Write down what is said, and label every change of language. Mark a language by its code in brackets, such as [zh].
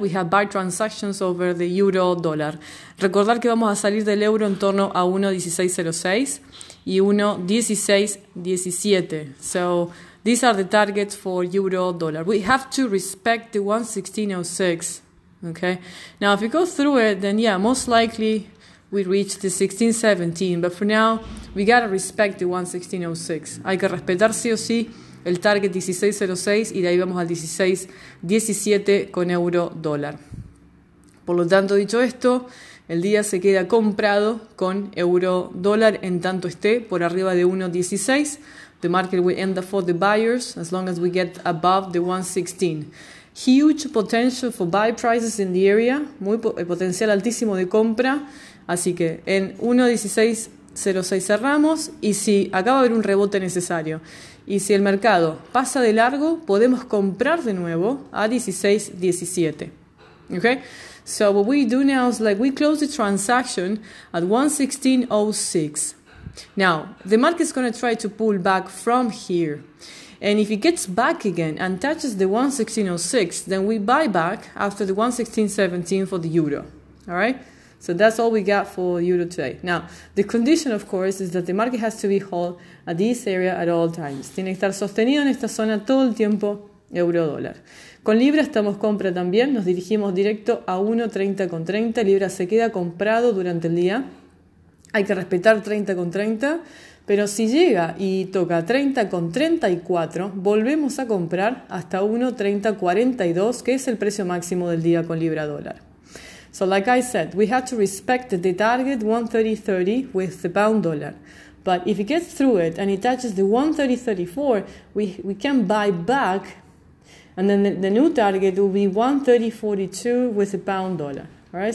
[en] We have buy transactions over the euro dólar. [es] Recordar que vamos a salir del euro en torno a 1.1606 y 1.1617. [en] So, these are the targets for euro dólar. We have to respect the 1.1606. Okay? Now, if you go through it, then yeah, most likely we reach the 1.1617. But for now, we gotta respect the 1.1606. [es] Hay que respetar sí o sí el target 1606 y de ahí vamos al 1617 con euro dólar. Por lo tanto, dicho esto, el día se queda comprado con euro dólar en tanto esté por arriba de 1.16. [en] The market will end up for the buyers as long as we get above the 1.16. Huge potential for buy prices in the area. [es] Muy potencial altísimo de compra. Así que en 1.16 06 cerramos y si acaba de haber un rebote necesario y si el mercado pasa de largo, podemos comprar de nuevo a 16.17. [en] Okay? So what we do now is like we close the transaction at 1.1606. Now, the market is going to try to pull back from here. And if it gets back again and touches the 1.1606, then we buy back after the 1.1617 for the euro. All right? So that's all we got for euro today. Now, the condition, of course, is that the market has to be held at this area at all times. [es] Tiene que estar sostenido en esta zona todo el tiempo, euro dólar. Con libra estamos compra también, nos dirigimos directo a 1.30 con 30. Libra se queda comprado durante el día. Hay que respetar 30 con 30. Pero si llega y toca 30 con 34, volvemos a comprar hasta 1.3042, que es el precio máximo del día con libra dólar. [en] So like I said, we have to respect the target 1.3030 with the pound dollar. But if it gets through it and it touches the 1.3034, we can buy back and then the new target will be 1.3042 with the pound dollar. All right?